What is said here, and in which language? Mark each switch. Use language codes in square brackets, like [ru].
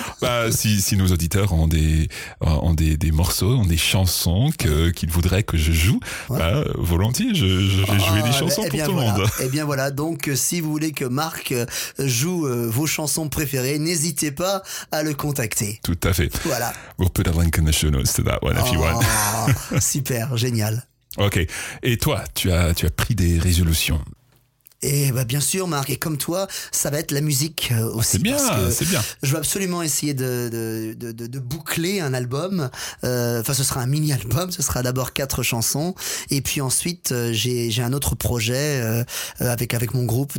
[fr] Ben, si nos auditeurs ont des morceaux, ont des chansons qu'ils voudraient que je joue, ouais. Ben, volontiers, je vais jouer des chansons pour tout le monde. Eh bien, voilà. Donc, si vous voulez que Marc joue vos chansons préférées, n'hésitez pas à le contacter. Tout à fait. Voilà. [en] We'll put a link in the show notes to that one if you want. [fr] Super, génial. Ok, et toi, tu as pris des résolutions? Et bah bien sûr Marc, et comme toi, ça va être la musique aussi. C'est bien, parce que c'est bien. Je veux absolument essayer de boucler un album. Enfin, ce sera un mini-album, ce sera d'abord 4 chansons. Et puis ensuite, j'ai un autre projet avec mon groupe.